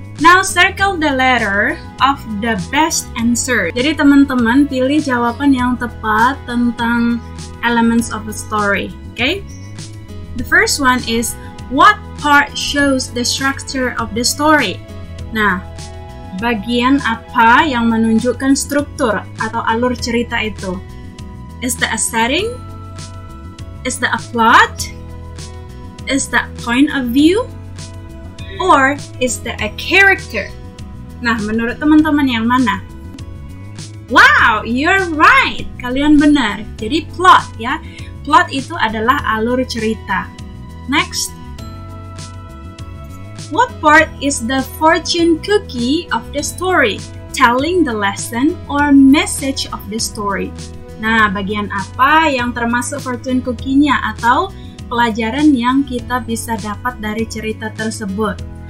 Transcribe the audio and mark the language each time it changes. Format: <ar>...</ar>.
<en>Now circle the letter of the best answer.</en> <id>Jadi teman-teman pilih jawaban yang tepat tentang</id> <en>elements of a story,</en> <id>okay?</id> <en>The first one is what part shows the structure of the story?</en> <id>Nah, bagian apa yang menunjukkan struktur atau alur cerita itu?</id> <en>Is that a setting? Is that a plot? Is that point of view? Or is that a character?</en> <id>Nah, menurut teman-teman yang mana?</id> <en>Wow, you're right!</en> <id>Kalian benar. Jadi plot ya. Plot itu adalah alur cerita.</id> <en>Next. What part is the fortune cookie of the story? Telling the lesson or message of the story?</en> <id>Nah, bagian apa yang termasuk fortune cookie-nya atau pelajaran yang kita bisa dapat dari cerita tersebut?</id>